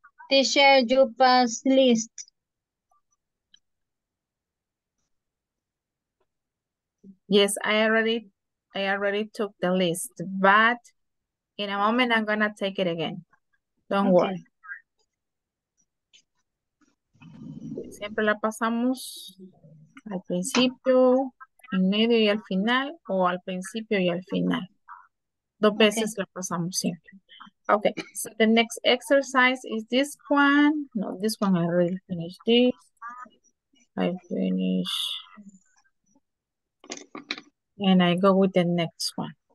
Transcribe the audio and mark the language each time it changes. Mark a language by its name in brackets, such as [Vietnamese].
[English] Teacher, you pass list. Yes, I already took the list, but in a moment I'm gonna take it again. Don't okay. worry. [Spanish] Siempre la pasamos al principio, en medio y al final, o al principio y al final. Dos okay. veces la pasamos siempre. [English] Okay, so the next exercise is this one. No, this one, I already finished this. I finish. And I go with the next one.